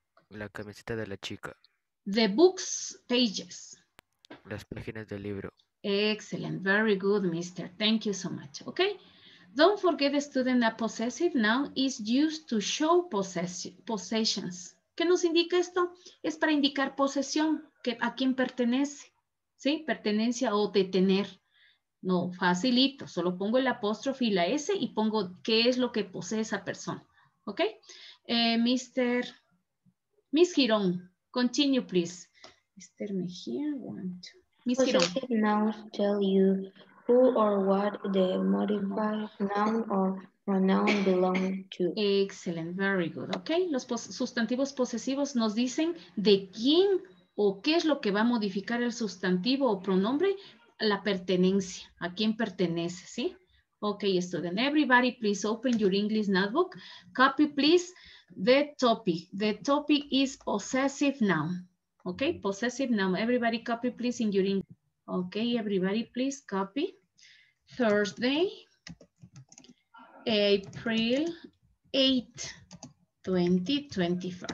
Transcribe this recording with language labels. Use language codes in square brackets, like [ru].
[es] La camiseta de la chica. [en] The book's pages. [es] Las páginas del libro. [en] Excellent. Very good, mister. Thank you so much. Okay. Don't forget, the student, that possessive noun is used to show possessions. [es] ¿Qué nos indica esto? Es para indicar posesión, que a quién pertenece. ¿Sí? Pertenencia o detener. No, facilito. Solo pongo el apóstrofe y la S y pongo qué es lo que posee esa persona. [en] Ok. Mister. Miss Girón. Continue, please. Mr. Mejía, possessive nouns tell you who or what the modified noun or pronoun belong to. Excellent, very good. [es] Okay, los sustantivos posesivos nos dicen de quién o qué es lo que va a modificar el sustantivo o pronombre, la pertenencia, a quién pertenece, ¿sí? [en] Okay, student, everybody, please open your English notebook. Copy, please, the topic. The topic is possessive noun. Okay, possessive noun. Everybody copy, please, in your English. Okay, everybody, please copy. Thursday, April 8, 2021.